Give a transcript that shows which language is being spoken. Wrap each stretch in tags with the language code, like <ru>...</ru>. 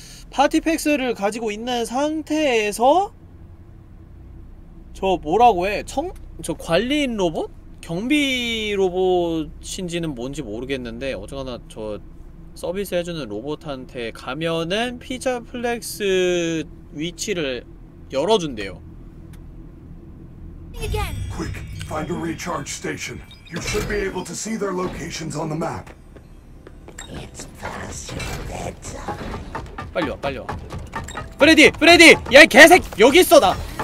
<ko>파티 패스를 가지고 있는 상태에서 저 뭐라고 해? 청? 저 관리인 로봇? 경비 로봇인지는 뭔지 모르겠는데 어쩌거나 저 서비스 해주는 로봇한테 가면은 피자 플렉스 위치를 열어준대요.</ko> <en>Quick, find a recharge station. You should be able to see their locations on the map. It's past your bedtime.</en> <ko>빨리 와, 빨리 와. 프레디, 프레디, 야 개새, 여기 있어 나.</ko>